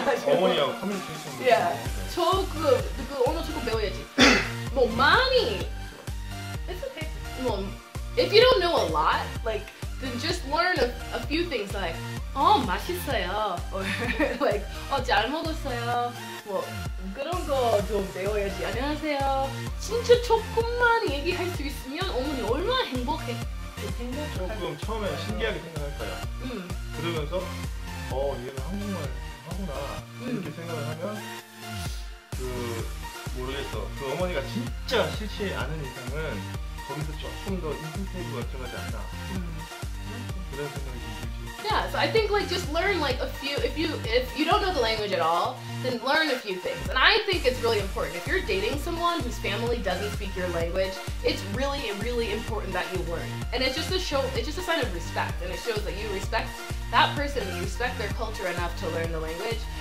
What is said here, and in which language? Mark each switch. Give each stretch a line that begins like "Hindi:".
Korean: 어머니요 커뮤니케이션.
English: Yeah.
Korean: 저 그 언어 조금 배워야지. 뭐 많이.
English: It's okay.
Korean: 뭐
English: if you don't know a lot, like then just learn a few things like
Korean: 어 맛있어요
English: or like
Korean: 어 잘 먹었어요. 뭐 그런 거 좀 배워야지. 안녕하세요. 진짜 조금만 얘기할 수 있으면 어머니 얼마나 행복해. 조금 처음에 신기하게 생각할 거야. 그러면서 어 얘는 한국말 하구나 이렇게 생각을 하면 그 모르겠어. 그 어머니가 진짜 싫지 않은 이상은 거기서 조금 더 인센티브가 들어가지 않나.
English: Kind of yeah, so I think like just learn like a few, if you don't know the language at all, then learn a few things. And I think it's really important. If you're dating someone whose family doesn't speak your language, it's really, really important that you learn. And it's just a sign of respect. And it shows that you respect that person, you respect their culture enough to learn the language.